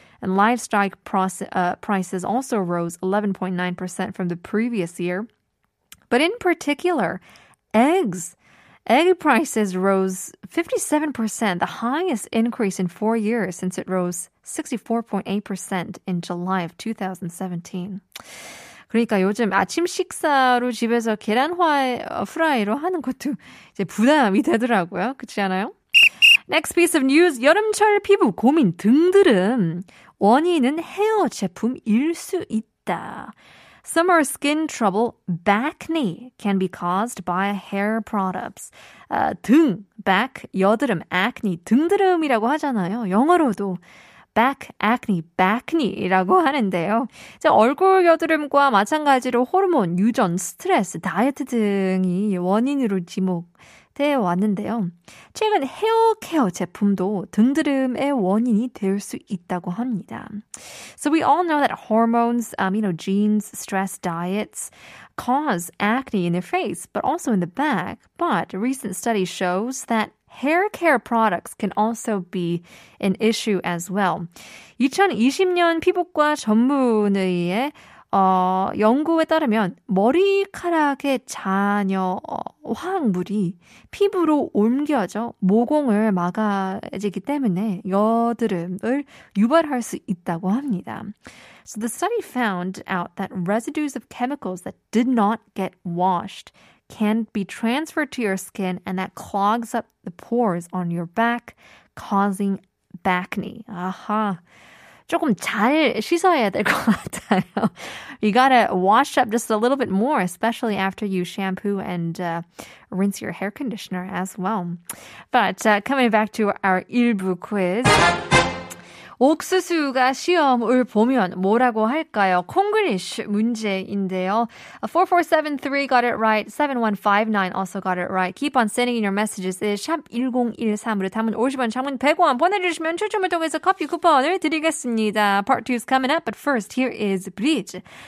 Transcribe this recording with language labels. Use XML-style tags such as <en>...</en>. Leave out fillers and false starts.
<en>And livestock prices also rose 11.9% from the previous year. But in particular, egg prices rose 57%, the highest increase in 4 years since it rose 64.8% in July of 2017.</en> <ko>그러니까 요즘 아침 식사로 집에서 계란 후라이로 하는 것도 이제 부담이 되더라고요. 그렇지 않아요?</ko> <en>Next piece of news.</en> <ko>여름철 피부 고민 등등은 원인은 헤어 제품일 수 있다.</ko> <en>Summer skin trouble, acne, can be caused by hair products.</en> <ko>등, back, 여드름, acne, 등드름이라고 하잖아요. 영어로도.</ko> <en>Back acne, acne이라고</en> <ko>하는데요. 이제 얼굴 여드름과 마찬가지로 호르몬, 유전, 스트레스, 다이어트 등이 원인으로 지목되어 왔는데요. 최근 헤어 케어 제품도 등드름의 원인이 될 수 있다고 합니다.</ko> <en>So we all know that hormones, genes, stress, diets cause acne in the face, but also in the back. But a recent study shows that hair care products can also be an issue as well.</en> <ko>2020년 피부과 전문의의 연구에 따르면 머리카락의 잔여 화학물이 피부로 옮겨져 모공을 막아지기 때문에 여드름을 유발할 수 있다고 합니다.</ko> <en>So the study found out that residues of chemicals that did not get washed can be transferred to your skin and that clogs up the pores on your back, causing acne. Aha.</en> <ko>조금 잘 씻어야 될 것 같아요.</ko> <en>You gotta wash up just a little bit more, especially after you shampoo and rinse your hair conditioner as well. But coming back to our</en> <ko>일부</ko> <en>quiz.</en> <ko>옥수수가 시험을 보면 뭐라고 할까요? 콩글리쉬 문제인데요.</ko> <en>4473 got it right. 7159 also got it right. Keep on sending in your messages.</en> <ko>샵1013으로 담은 50원, 장문 100원 보내주시면 추첨을 통해서 커피 쿠폰을 드리겠습니다.</ko> <en>Part 2 is coming up, but first, here is Bridge.</en>